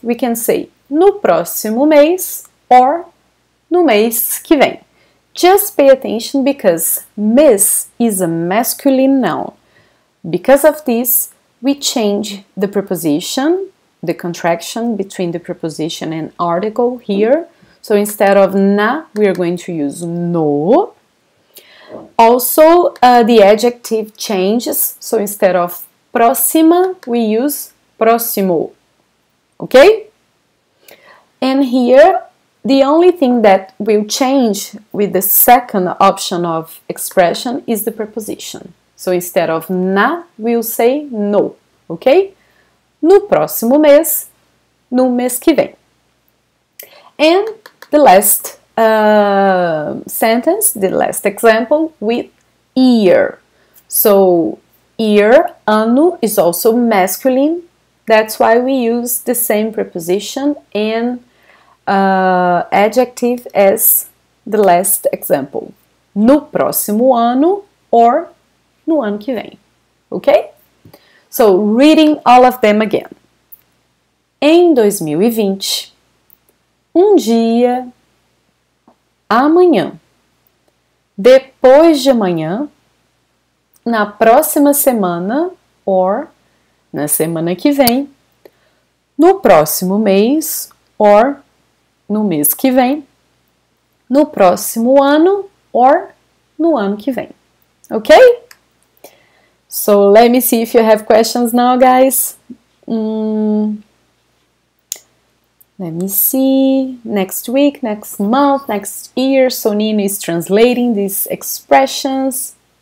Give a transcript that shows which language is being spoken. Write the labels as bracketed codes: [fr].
[en] We can say [pt] no próximo mês or no mês que vem. [en] Just pay attention because mês is a masculine noun. Because of this, we change the preposition, the contraction between the preposition and article here. So instead of na, we are going to use no. Also, the adjective changes. So instead of próxima, we use próximo. Okay? And here, the only thing that will change with the second option of expression is the preposition. So instead of na, we'll say no. Okay? [pt] No próximo mês, no mês que vem. [en] And the last sentence, the last example with year. So year, ano, is also masculine. That's why we use the same preposition and adjective as the last example. [pt] No próximo ano or no ano que vem. Okay? [en] So, reading all of them again. [pt] Em 2020, um dia, amanhã. Depois de amanhã, na próxima semana, or na semana que vem. No próximo mês, or no mês que vem. No próximo ano, or no ano que vem. [en] Ok? So let me see if you have questions now, guys. Let me see. Next week, next month, next year. So Nino is translating these expressions.